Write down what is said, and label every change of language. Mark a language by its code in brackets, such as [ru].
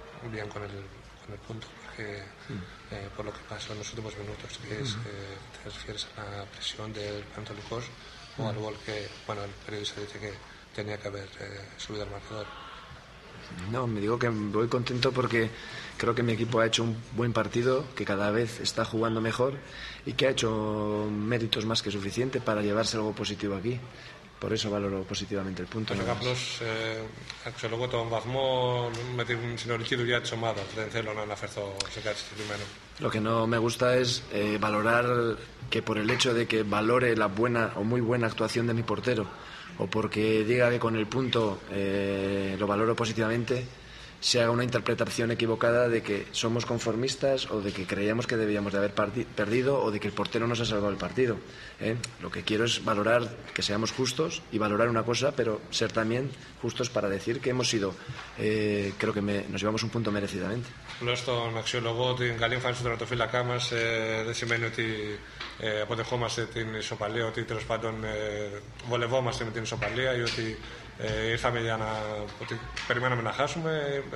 [es] Bien con el punto, porque por lo que pasó en los últimos minutos, que es te refieres a la presión del Pantolucos o al gol que el periodista dice que tenía que haber subido al marcador. No, me digo que voy contento porque creo que mi equipo ha hecho un buen partido, que cada vez está jugando mejor y que ha hecho méritos más que suficiente para llevarse algo positivo aquí. Por eso valoro positivamente el punto. [el] Απλώς αξιολογώ τον βαθμό με την συνολική δουλειά της ομάδας. Δεν θέλω να αναφερθώ σε κάτι συγκεκριμένο. [es] Lo que no me gusta es valorar que por el hecho de que valore la buena o muy buena actuación de mi portero o porque diga que con el punto lo valoro positivamente, se haga una interpretación equivocada de que somos conformistas o de que creíamos que debíamos de haber perdido o de que el portero nos ha salvado el partido. Lo que quiero es valorar que seamos justos y valorar una cosa, pero ser también justos para decir que hemos sido, creo que nos llevamos un punto merecidamente. [el] Esto, αξιολογώ την καλή εμφάνιση του τερματοφύλακά μας, δεν σημαίνει ότι αποδεχόμαστε την ισοπαλία, ότι τέλος πάντων βολευόμαστε με την ισοπαλία ή ότι ήρθαμε για να ότι περιμέναμε να χάσουμε.